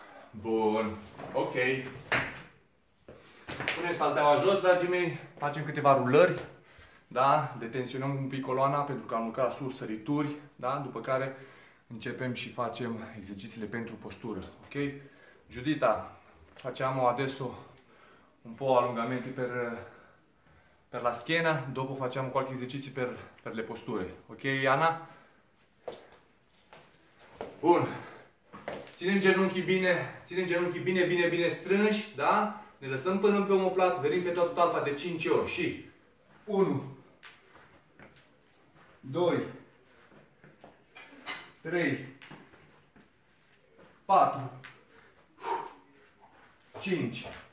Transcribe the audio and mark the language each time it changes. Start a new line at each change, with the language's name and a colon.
Romanian: Bun. Ok. Punem salteaua jos, dragii mei, facem câteva rulări, da? Detensionăm un pic coloana pentru că am lucrat la sărituri, da? După care începem și facem exercițiile pentru postură, ok?
Italian: Judita, faceam adesso un po' alungamenti per la schiena, dopo facem qualche esercizi per le posture, ok, Ana?
Romanian: Bun. Ținem genunchii bine strânși, da? Ne lăsăm până pe omoplat, venim pe toată talpa de 5 ori și 1 2 3 4 5.